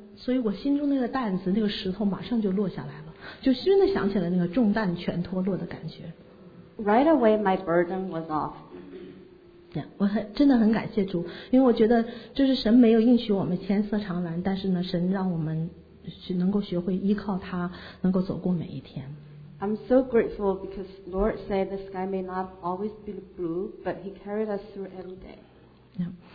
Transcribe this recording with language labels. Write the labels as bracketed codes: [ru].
[zh] 所以我心中那个担子那个石头马上就落下来了，就真的想起了那个重担全脱落的感觉。 [en] Right away my burden was off. [zh] 我真的很感谢主，因为我觉得这是神没有应许我们天色长蓝，但是呢，神让我们能够学会依靠他，能够走过每一天。 [en] I'm so grateful because Lord said the sky may not always be blue, but He carried us through every day.